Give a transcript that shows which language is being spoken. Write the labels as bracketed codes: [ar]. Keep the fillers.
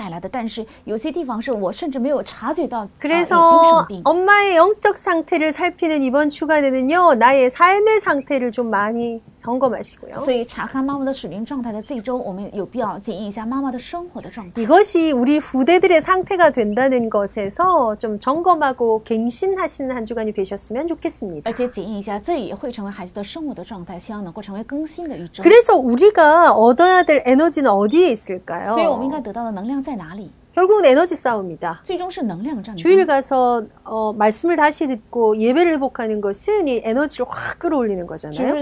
[zh] 但是有些地方是我甚至没有察觉到 [ko] 그래서 엄마의 영적 상태를 살피는 이번 주간에는요. 나의 삶의 상태를 좀 많이 점검하시고요. [zh] 所以查看妈妈的属灵状态的这一周，我们有必要检验一下妈妈的生活的状态。 [ko] 이것이 우리 후대들의 상태가 된다는 것에서 좀 점검하고 갱신하시는 한 주간이 되셨으면 좋겠습니다. [zh] 而且检验一下，这也会成为孩子的生活的状态，希望能够成为更新的一周。 [ko] 그래서 우리가 얻어야 될 에너지는 어디에 있을까요？ [zh] 所以我们应该得到的能量在哪里？ [ko] 결국은 에너지 싸움이다. 주일 가서 어, 말씀을 다시 듣고 예배를 회복하는 것은 이 에너지를 확 끌어올리는 거잖아요.